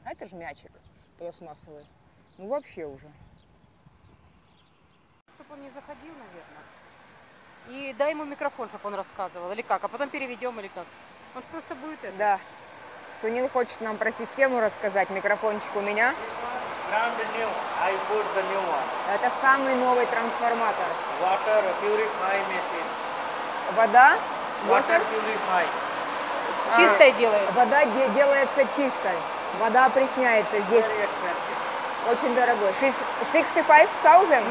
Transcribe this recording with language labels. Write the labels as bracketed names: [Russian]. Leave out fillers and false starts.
[Russian] А это же мячик пластмассовый. Ну, вообще уже. Чтобы он не заходил, наверное. И дай ему микрофон, чтобы он рассказывал, или как, а потом переведем, или как. Он же просто будет это. Да. Сунил хочет нам про систему рассказать, микрофончик у меня. [English] Brand new, I put the new one. [Russian] Это самый новый трансформатор. [English] Water purify machine. [Russian] Вода? [English] Water purify. [Russian] Чистой делает. Вода делается чистой. Вода опресняется здесь. [English] Very expensive. [Russian] Очень дорогой. 65,000?